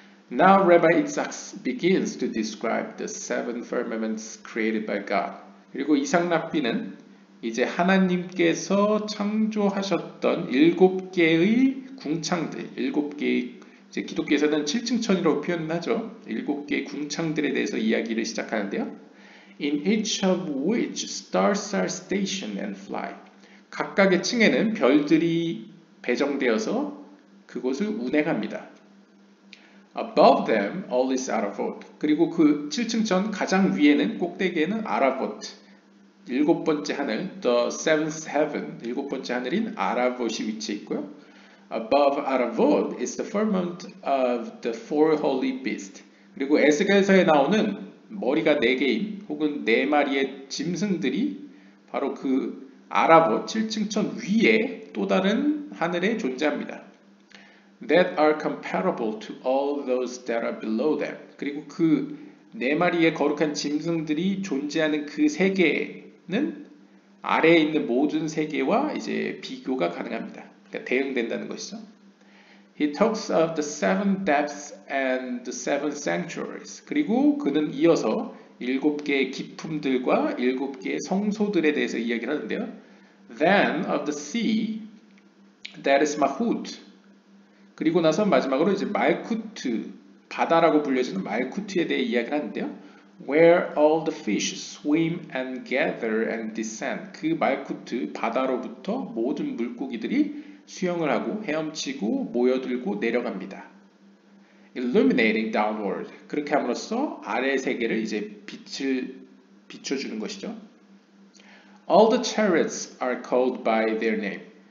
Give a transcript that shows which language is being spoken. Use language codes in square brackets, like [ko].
[en] Now Rabbi Isaac begins to describe the seven firmaments created by God. [ko] 그리고 이삭 랍비는 이제 하나님께서 창조하셨던 일곱 개의 궁창들, 일곱 개의, 이제 기독교에서는 7층 천이라고 표현하죠. 일곱 개의 궁창들에 대해서 이야기를 시작하는데요. [en] In each of which stars are stationed and fly. [ko] 각각의 층에는 별들이 배정되어서 그곳을 운행합니다. [en] Above them, all is Aravot. [ko] 그리고 그 7층 전 가장 위에는, 꼭대기에는 Aravot. 일곱 번째 하늘, [en] the seventh heaven, [ko] 일곱 번째 하늘인 Aravot이 위치해 있고요. [en] Above Aravot is the firmament of the four holy beasts. [ko] 그리고 에스겔서에 나오는 머리가 네 개인 혹은 네 마리의 짐승들이 바로 그 아랍어 7층천 위에 또 다른 하늘에 존재합니다. [en] That are comparable to all those that are below them. [ko] 그리고 그 네 마리의 거룩한 짐승들이 존재하는 그 세계는 아래에 있는 모든 세계와 이제 비교가 가능합니다. 그러니까 대응된다는 것이죠. [en] He talks of the seven depths and the seven sanctuaries. [ko] 그리고 그는 이어서 일곱 개의 깊음들과 일곱 개의 성소들에 대해서 이야기를 하는데요. [en] Then of the sea, that is Mahut. [ko] 그리고 나서 마지막으로 이제 말쿠트, 바다라고 불려지는 말쿠트에 대해 이야기를 하는데요. [en] Where all the fish swim and gather and descend. [ko] 그 말쿠트, 바다로부터 모든 물고기들이 수영을 하고 헤엄치고 모여들고 내려갑니다. [en] Illuminating downward. [ko] 그렇게 함으로써 아래 세계를 이제 빛을 비춰주는 것이죠. [en] All the chariots are called by their name.